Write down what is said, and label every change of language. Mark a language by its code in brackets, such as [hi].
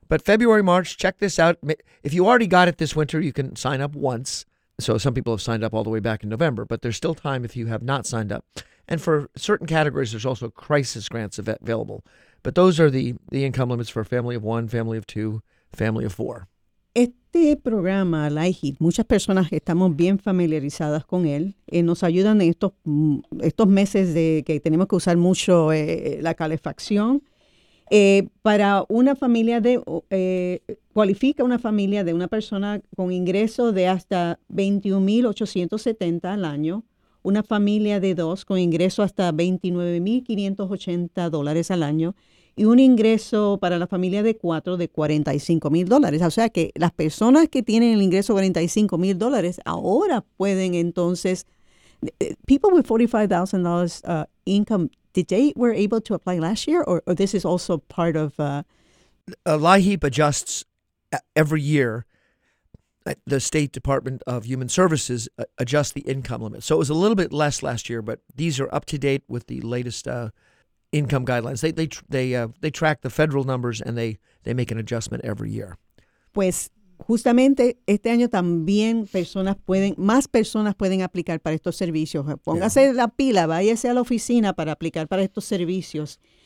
[en] But February, March, check this out. If you already got it this winter, you can sign up once. So some people have signed up all the way back in November, but there's still time if you have not signed up. And for certain categories, there's also crisis grants available. But those are the income limits for a family of one, family of two, family of four. [es] Este programa, LIHEAP, muchas personas estamos bien familiarizadas con él. Nos ayudan en estos meses de que tenemos que usar mucho la calefacción. Para una familia de, cualifica una familia de una persona con ingreso de hasta $21,870 al año, una familia de dos con ingreso hasta $29,580 al año y un ingreso para la familia de cuatro de $45,000. O sea que las personas que tienen el ingreso de $45,000 ahora pueden entonces, [en] people with $45,000 income, did they were able to apply last year or this is also part of? LIHEAP adjusts every year. The State Department of Human Services adjusts the income limit. So it was a little bit less last year, but these are up to date with the latest income guidelines. They track the federal numbers and they make an adjustment every year. [es] Pues justamente este año también más personas pueden aplicar para estos servicios. Póngase la pila, váyase a la oficina para aplicar para estos servicios.